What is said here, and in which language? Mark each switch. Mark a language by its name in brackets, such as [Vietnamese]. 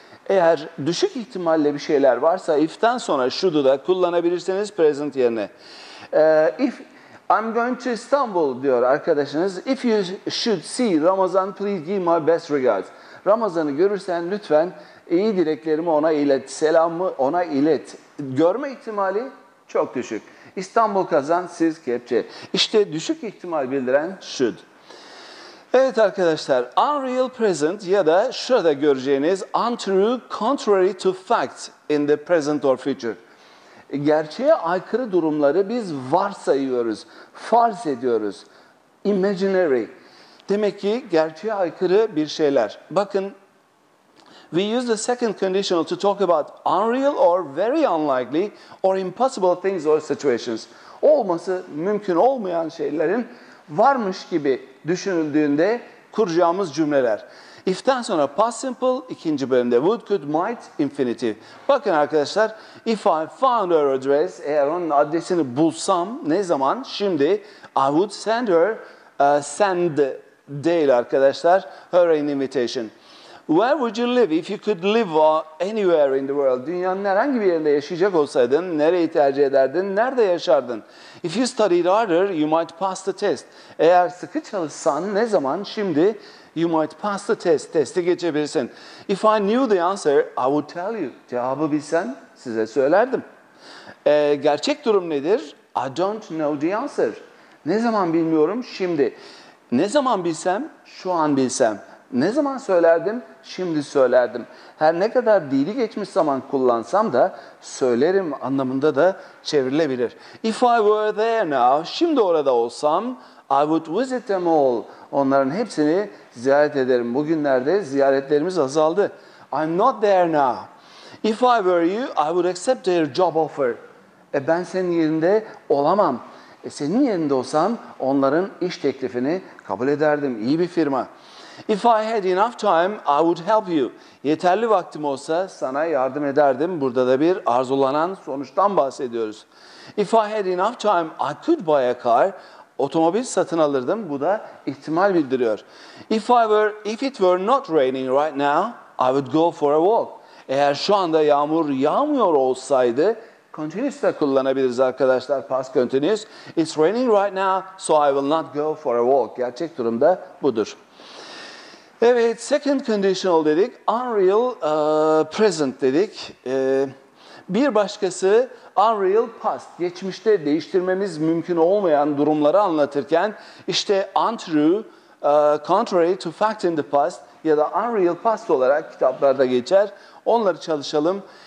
[Turkish] Eğer düşük ihtimalle bir şeyler varsa if'ten sonra should'u da kullanabilirsiniz present yerine. [English] If I'm going to Istanbul [Turkish] diyor arkadaşınız. [English] If you should see Ramazan, please give my best regards. [Turkish] Ramazan'ı görürsen lütfen iyi dileklerimi ona ilet, selamımı ona ilet. Görme ihtimali çok düşük. İstanbul kazan, siz kepçe. İşte düşük ihtimal bildiren should. Evet arkadaşlar, unreal present ya da şurada göreceğiniz [English] untrue, contrary to fact in the present or future. [Turkish] Gerçeğe aykırı durumları biz varsayıyoruz, farz ediyoruz. Imaginary. Demek ki gerçeğe aykırı bir şeyler. Bakın, [English] we use the second conditional to talk about unreal or very unlikely or impossible things or situations. [Turkish] Olması mümkün olmayan şeylerin varmış gibi düşünüldüğünde kuracağımız cümleler. If'ten sonra past simple, ikinci bölümde would, could, might, infinitive. Bakın arkadaşlar, [English] if I found her address, [Turkish] eğer onun adresini bulsam, ne zaman? Şimdi, [English] I would send her, send [Turkish] değil arkadaşlar, [English] her an invitation. Where would you live if you could live anywhere in the world? [Turkish] Dünyanın herhangi bir yerinde yaşayacak olsaydın, nereyi tercih ederdin, nerede yaşardın? [English] If you studied harder, you might pass the test. [Turkish] Eğer sıkı çalışsan, ne zaman? Şimdi, [English] you might pass the test, [Turkish] testi geçebilirsin. [English] If I knew the answer, I would tell you. [Turkish] Cevabı bilsen, size söylerdim. Gerçek durum nedir? [English] I don't know the answer. [Turkish] Ne zaman bilmiyorum? Şimdi. Ne zaman bilsem? Şu an bilsem. Ne zaman söylerdim? Şimdi söylerdim. Her ne kadar dili geçmiş zaman kullansam da söylerim anlamında da çevrilebilir. [English] If I were there now, [Turkish] şimdi orada olsam, [English] I would visit them all. [Turkish] Onların hepsini ziyaret ederim. Bugünlerde ziyaretlerimiz azaldı. [English] I'm not there now. If I were you, I would accept their job offer. [Turkish] Ben senin yerinde olamam. Senin yerinde olsam onların iş teklifini kabul ederdim. İyi bir firma. [English] If I had enough time, I would help you. [Turkish] Yeterli vaktim olsa sana yardım ederdim. Burada da bir arzulanan sonuçtan bahsediyoruz. [English] If I had enough time, I could buy a car. [Turkish] Otomobil satın alırdım. Bu da ihtimal bildiriyor. [English] If it were not raining right now, I would go for a walk. [Turkish] Eğer şu anda yağmur yağmıyor olsaydı, continuous da kullanabiliriz arkadaşlar, past continuous. [English] It's raining right now, so I will not go for a walk. [Turkish] Gerçek durum da budur. Evet, second conditional dedik, unreal present dedik. Bir başkası unreal past, geçmişte değiştirmemiz mümkün olmayan durumları anlatırken, işte untrue, contrary to fact in the past ya da unreal past olarak kitaplarda geçer. Onları çalışalım.